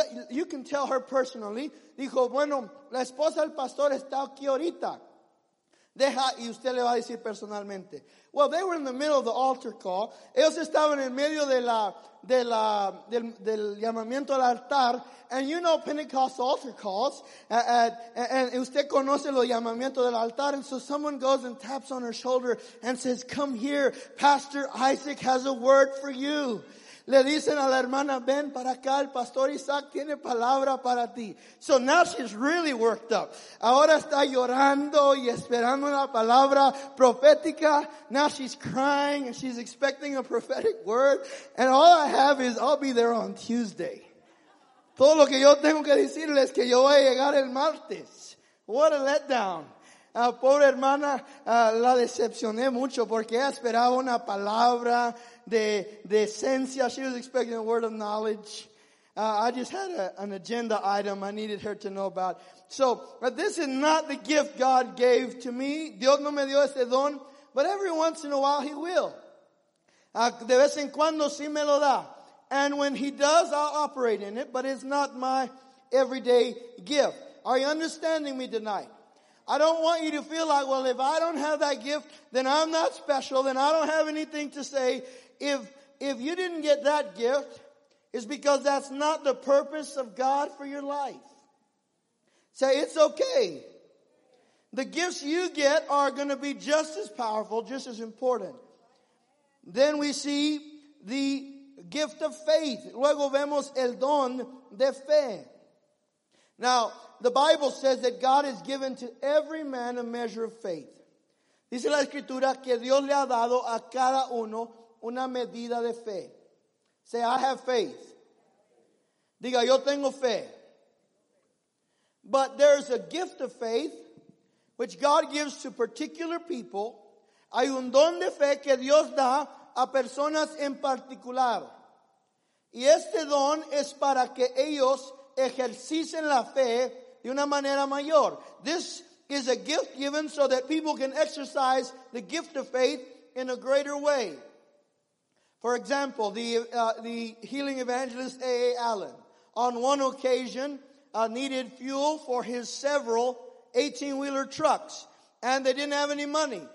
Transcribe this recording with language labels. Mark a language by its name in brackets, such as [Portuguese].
[English] You can tell her personally. [Spanish] Dijo, bueno, la esposa del pastor está aquí ahorita. Deja, y usted le va a decir personalmente. [English] Well, they were in the middle of the altar call. [Spanish] Ellos estaban en medio del llamamiento al altar. [English] And you know Pentecostal altar calls. And [Spanish] usted conoce los llamamientos del altar. [English] And so someone goes and taps on her shoulder and says, come here, Pastor Isaac has a word for you. [Spanish] Le dicen a la hermana, ven para acá, el pastor Isaac tiene palabra para ti. [English] So now she's really worked up. [Spanish] Ahora está llorando y esperando la palabra profética. [English] Now she's crying and she's expecting a prophetic word. And all I have is, I'll be there on Tuesday. [Spanish] Todo lo que yo tengo que decirle es que yo voy a llegar el martes. [English] What a letdown. [Spanish] Pobre hermana, la decepcioné mucho porque ella esperaba una palabra de esencia. [English] She was expecting a word of knowledge. I just had an agenda item I needed her to know about. So, but this is not the gift God gave to me. [Spanish] Dios no me dio ese don, [English] but every once in a while he will. [Spanish] De vez en cuando sí me lo da. [English] And when he does, I'll operate in it, but it's not my everyday gift. Are you understanding me tonight? I don't want you to feel like, well, if I don't have that gift, then I'm not special, then I don't have anything to say. If you didn't get that gift, it's because that's not the purpose of God for your life. Say, it's okay. The gifts you get are going to be just as powerful, just as important. Then we see the gift of faith. [Spanish] Luego vemos el don de fe. [English] Now, the Bible says that God has given to every man a measure of faith. [Spanish] Dice la Escritura que Dios le ha dado a cada uno una medida de fe. Say, I have faith. Diga, yo tengo fe. [English] But there's a gift of faith which God gives to particular people. [Spanish] Hay un don de fe que Dios da a personas en particular. Y este don es para que ellos ejercicen la fe de una manera mayor. [English] This is a gift given so that people can exercise the gift of faith in a greater way. For example, the healing evangelist A.A. Allen, on one occasion, needed fuel for his several 18-wheeler trucks, and they didn't have any money.